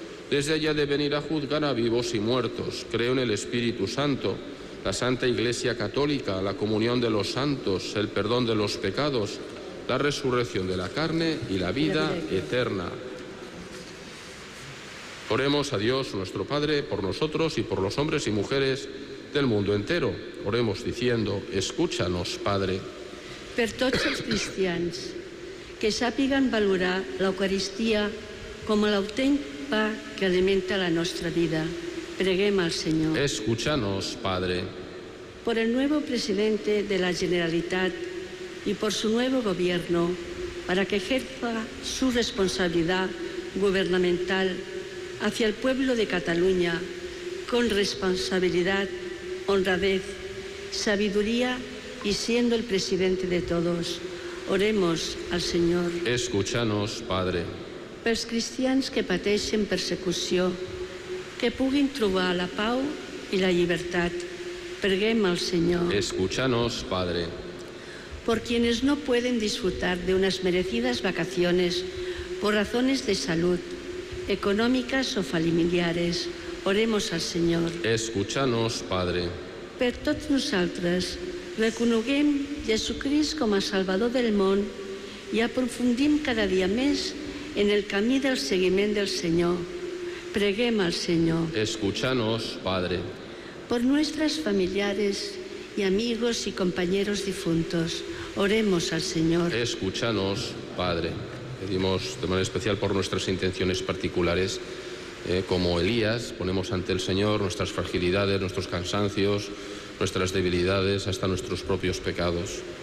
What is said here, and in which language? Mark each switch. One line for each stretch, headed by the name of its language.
Spanish: Desde allá de venir a juzgar a vivos y muertos. Creo en el Espíritu Santo, la Santa Iglesia Católica, la comunión de los santos, el perdón de los pecados, la resurrección de la carne y la vida eterna. Oremos a Dios nuestro Padre por nosotros y por los hombres y mujeres del mundo entero. Oremos diciendo: escúchanos, Padre.
Catalan: Per tots els cristians, que sàpiguen valorar la Eucaristia com l'autèntic pa que alimenta la nostra vida. Preguem al Señor.
Spanish: Escúchanos, Padre. Por el nuevo presidente de la Generalitat y por su nuevo gobierno, para que ejerza su responsabilidad gubernamental hacia el pueblo de Cataluña con responsabilidad, honradez, sabiduría y siendo el presidente de todos, oremos al Señor. Escúchanos, Padre.
Catalan: Pels cristians que pateixen persecució, que puguin trobar la pau i la llibertat, preguem al Señor.
Spanish: Escúchanos, Padre. Por quienes no pueden disfrutar de unas merecidas vacaciones por razones de salud, económicas o familiares, oremos al Señor. Escúchanos, Padre.
Catalan: Per tots nosaltres, reconeguem Jesucrist com a Salvador del món i aprofundim cada dia més en el camí del seguiment del Senyor. Preguem al Senyor.
Spanish: Escúchanos, Padre. Por nuestras familiares y amigos y compañeros difuntos, oremos al Señor. Escúchanos, Padre. Pedimos de manera especial por nuestras intenciones particulares, como Elías, ponemos ante el Señor nuestras fragilidades, nuestros cansancios, nuestras debilidades, hasta nuestros propios pecados.